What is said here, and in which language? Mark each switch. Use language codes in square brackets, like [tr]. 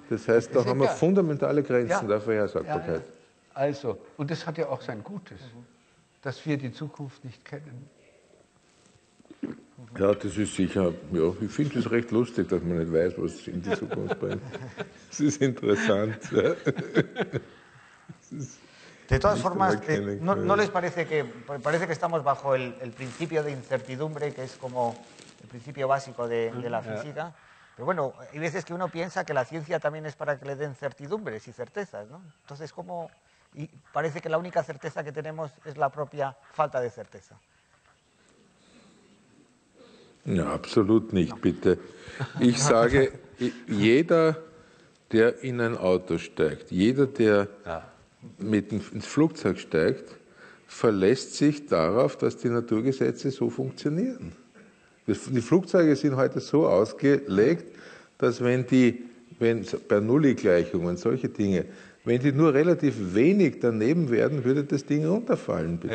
[de] das heißt, da haben wir fundamentale Grenzen der Vorhersagbarkeit. Ja, also, und das hat ja auch sein Gutes, dass wir die Zukunft nicht kennen. Ja, das ist sicher. Ja, ich finde es recht lustig, dass man nicht weiß, was in die Zukunft bringt. Es ist interessant. [es] De todas formas, ¿no les parece que estamos bajo el principio de incertidumbre, que es como el principio básico de la física? Pero bueno, hay veces que uno piensa que la ciencia también es para que le den certidumbres y certezas, ¿no? Entonces, ¿cómo? Y parece que la única certeza que tenemos es la propia falta de certeza. [de] No, absolut nicht, bitte. Ich sage, jeder, der in ein Auto steigt, jeder, der ins Flugzeug steigt, verlässt sich darauf, dass die Naturgesetze so funktionieren. Die Flugzeuge sind heute so ausgelegt, dass wenn Bernoulli-Gleichungen, solche Dinge, wenn die nur relativ wenig daneben werden, würde das Ding runterfallen, bitte.